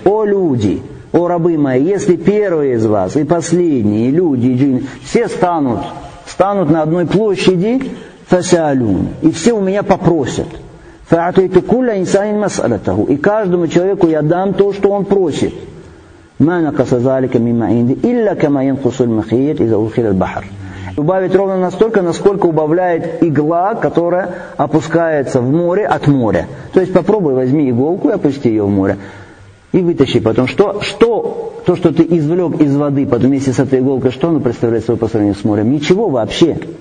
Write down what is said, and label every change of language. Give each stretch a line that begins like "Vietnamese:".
Russian: «О люди, о рабы мои, если первые из вас и последние люди, и джинны, все станут на одной площади, фасалюн, и все у меня попросят».
Arabic: «Фаатуйту кулля инсанин масалатаху».
Russian: «И каждому человеку я дам то, что он просит».
Arabic: ما نقص ذلك مما عندي إلا كما ينقص المخيط إذا أدخل البحر.
Russian: Убавить ровно настолько, насколько убавляет игла, которая опускается в море от моря. То есть попробуй, возьми иголку и опусти ее в море. И вытащи потом. То, что ты извлек из воды потом вместе с этой иголкой, что оно представляет собой по сравнению с морем? Ничего вообще.